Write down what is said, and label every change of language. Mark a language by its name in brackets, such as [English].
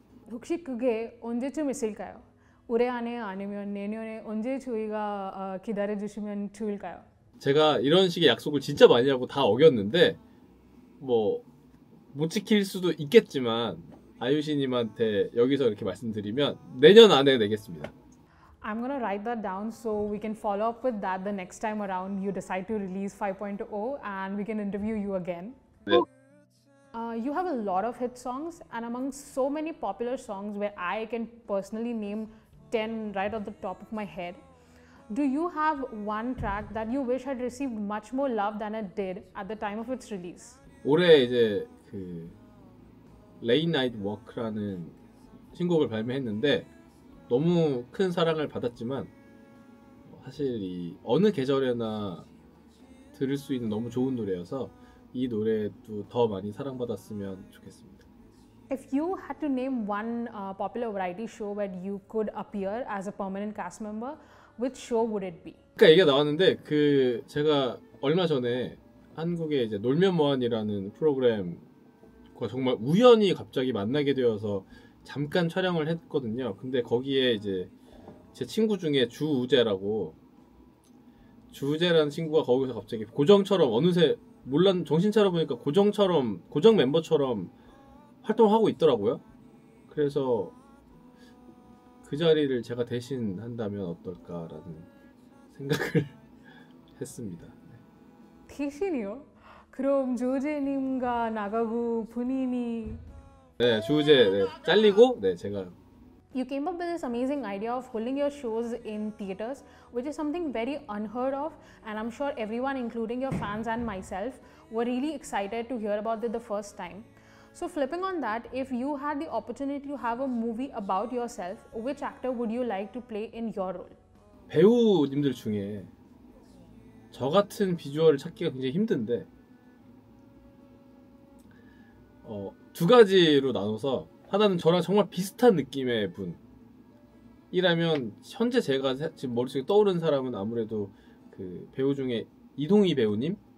[Korean] 혹시 그게 언제쯤 있을까요? 올해 안에 아니면 내년에 언제 저희가 기다려 주시면 좋을까요? 제가 이런 식의 약속을 진짜 많이 하고 다 어겼는데, 뭐못 지킬 수도 있겠지만 아유시님한테 여기서 이렇게 말씀드리면 내년 안에 내겠습니다. [English] I'm gonna write that down so we can follow up with that the next time around you decide to release 5.0 and we can interview you again. You have a lot of hit songs, and among so many popular songs where I can personally name 10 right off the top of my head, do you have one track that you wish had received much more love than it did at the time of its release? [Korean] 올해 이제 Late Night Walk라는 신곡을 발매했는데 너무 큰 사랑을 받았지만, 사실 이 어느 계절에나 들을 수 있는 너무 좋은 노래여서 이 노래도 더 많이 사랑받았으면 좋겠습니다. [English] If you had to name one popular variety show where you could appear as a permanent cast member, which show would it be? [Korean] 그러니까 얘기가 나왔는데, 그 제가 얼마 전에 한국의 이제 놀면 뭐하니라는 프로그램과 정말 우연히 갑자기 만나게 되어서 잠깐 촬영을 했거든요. 근데 거기에 이제 제 친구 중에 주우재라고, 주우재라는 친구가 거기서 갑자기 고정처럼, 어느새 몰란 정신 차려보니까 고정처럼, 고정 멤버처럼 활동하고 있더라고요. 그래서 그 자리를 제가 대신 한다면 어떨까라는 생각을 했습니다. 대신이요? 그럼 주우재님과 나가고 본인이... 네, 주우재 네, 잘리고 네, 제가... [English] You came up with this amazing idea of holding your shows in theaters, which is something very unheard of, and I'm sure everyone, including your fans and myself, were really excited to hear about it the first time. So flipping on that, if you had the opportunity to have a movie about yourself, which actor would you like to play in your role? [Korean] 배우님들 중에 저 같은 비주얼을 찾기가 굉장히 힘든데 두 가지로 나눠서 하나는 저랑 정말 비슷한 느낌의 분이라면 현재 제가 지금 머릿속에 떠오르는 사람은 아무래도 그 배우 중에 이동희 배우님?